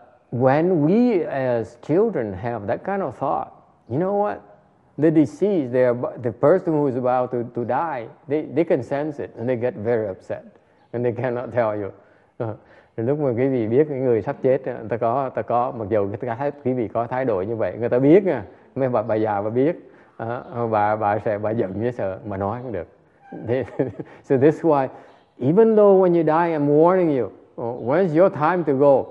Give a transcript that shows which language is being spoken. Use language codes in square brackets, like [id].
[en] when we as children have that kind of thought, you know what? The deceased, the person who is about to die, they can sense it, and they get very upset, and they cannot tell you. [vi] Lúc mà quý vị biết cái người sắp chết, ta có mặc dù quý vị có thái độ như vậy, người ta biết nha, mấy bà già mà biết, bà giận như sợ mà nói không được. [en] So this is why, even though when you die, I'm warning you, when's your time to go?